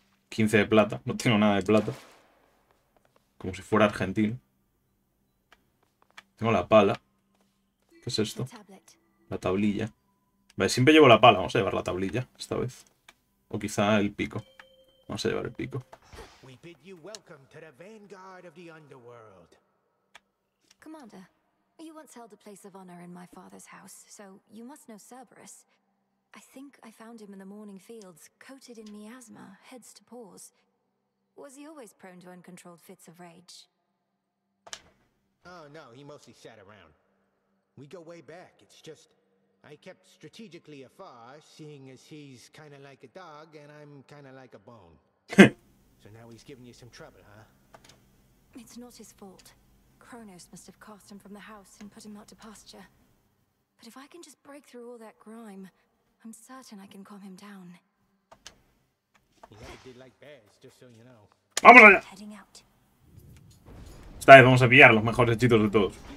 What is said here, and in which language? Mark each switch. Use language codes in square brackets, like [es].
[es] 15 de plata. No tengo nada de plata. Como si fuera argentino. Tengo la pala. ¿Qué es esto? La tablilla. Vale, siempre llevo la pala. Vamos a llevar la tablilla esta vez. O quizá el pico. Vamos a llevar el pico. [en] We bid you welcome to the vanguard of the underworld. Commander, you once held a place of honor in my father's house, so you must know Cerberus. I think I found him in the morning fields, coated in miasma, heads to paws. Was he always prone to uncontrolled fits of rage? Oh no, he mostly sat around. We go way back, it's just I kept strategically afar, seeing as he's kind of like a dog and I'm kind of like a bone. So now he's giving you some trouble, huh? It's not his fault. Kronos must have cast him from the house and put him out to pasture. But if I can just break through all that grime, I'm certain I can calm him down. He never did like bears, just so you know. [es] ¡Vamos allá! [en] Heading out. [es] Esta vez vamos a pillar los mejores hechizos de todos.